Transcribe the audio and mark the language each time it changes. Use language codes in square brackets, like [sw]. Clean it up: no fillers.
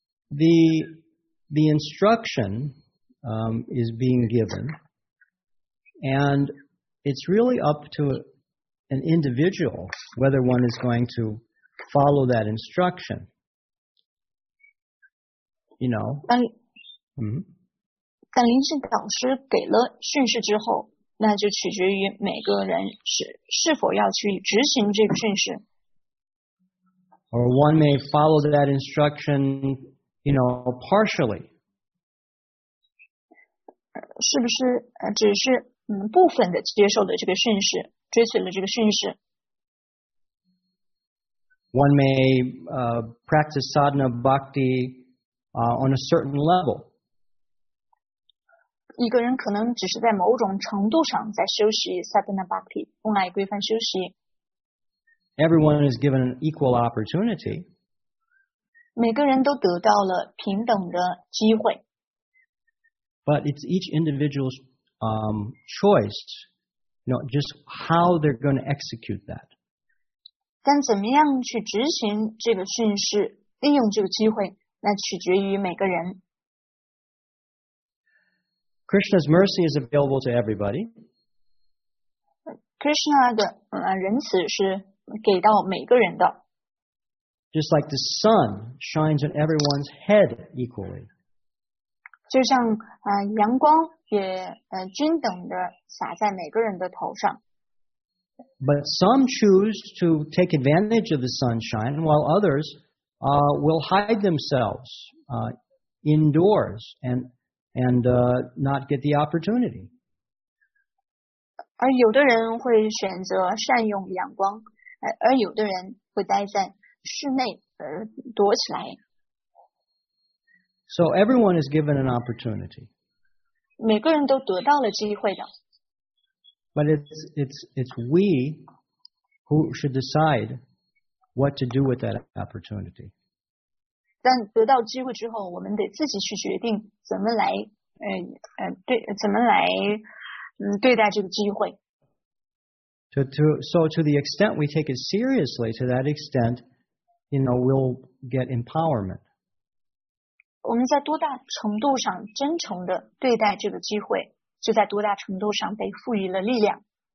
[en] The instruction is being given, and it's really up to an individual whether one is going to follow that instruction. You know. [zh] 但灵性导师给了训示之后，那就取决于每个人是否要去执行这个训示。 [en] Or one may follow that instruction, you know, partially. [zh] 是不是只是部分的接受了这个训示，追随了这个训示？ [en] One may practice sadhana bhakti on a certain level. [zh] 一个人可能只是在某种程度上在修习 sadhana bhakti， 用来规范修习。 [en] Everyone is given an equal opportunity. [zh] 每个人都得到了平等的机会。 [en] But it's each individual's choice, you know, just how they're going to execute that. [zh] 但怎么样去执行这个训示，利用这个机会，那取决于每个人。 [en] Krishna's mercy is available to everybody. [zh] Krishna 的仁慈是给到每个人的。 [en] Just like the sun shines on everyone's head equally. [zh] 就像阳光也均等的洒在每个人的头上。 [en] But some choose to take advantage of the sunshine, while others will hide themselves indoors and not get the opportunity. [zh] 而有的人会选择善用阳光，而有的人会待在室内而躲起来。 [en] So everyone is given an opportunity. [zh] 每个人都得到了机会的。 [en] But it's we who should decide what to do with that opportunity. [zh] 但得到机会之后，我们得自己去决定怎么来对待这个机会。 [en] So to the extent we take it seriously, to that extent, you know, we'll get empowerment. [zh] 我们在多大程度上真诚地对待这个机会，就在多大程度上被赋予了力量。